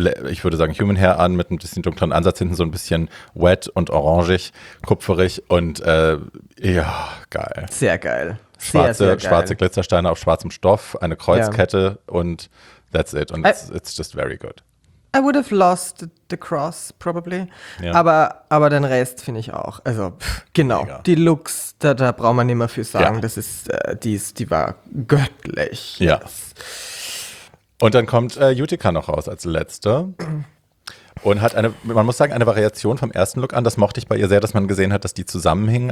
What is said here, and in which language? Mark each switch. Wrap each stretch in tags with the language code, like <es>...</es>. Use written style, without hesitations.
<de>Ich würde sagen, Human Hair an, mit ein bisschen dunklen Ansatz hinten, so ein bisschen wet und orangig, kupferig und ja, geil. Sehr geil. Schwarze Glitzersteine auf schwarzem Stoff, eine Kreuzkette und</de> <en>that's it. Und it's just very good. I would have lost the cross, probably.</en> <de>Ja. Aber den Rest finde ich auch. Also, genau. Mega. Die Looks, da braucht man nicht mehr für sagen. Ja. Das ist, die war göttlich. Ja. Yes. Und dann kommt Utica noch raus als Letzte. Und hat eine Variation vom ersten Look an. Das mochte ich bei ihr sehr, dass man gesehen hat, dass die zusammenhingen.</de>